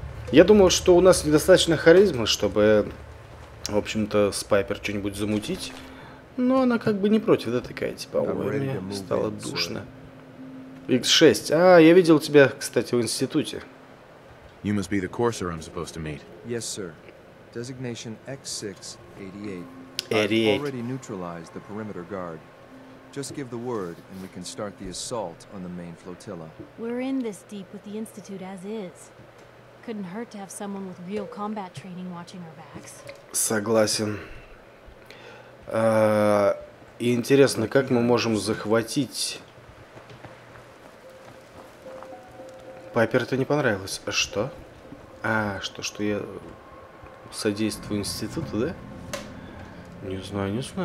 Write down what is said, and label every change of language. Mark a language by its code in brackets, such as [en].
[ru] Я думал, что у нас недостаточно харизмы, чтобы, в общем-то, с Пайпер что-нибудь замутить. Но она как бы не против, да, такая, типа, ой, мне стало душно. [en] X6. [ru] А, я видел тебя, кстати, в институте. [en] You must be the courser I'm supposed to meet. Yes, sir. Designation X688. I've already neutralized the perimeter guard. Just give the word, and we can start the assault on the main flotilla. We're in this deep with the Institute as is. Couldn't hurt to have someone with real combat training watching our backs. [ru] Согласен. И интересно, как мы можем захватить... Пайпер это не понравилось. А что? А, что я содействую Институту, да? Не знаю.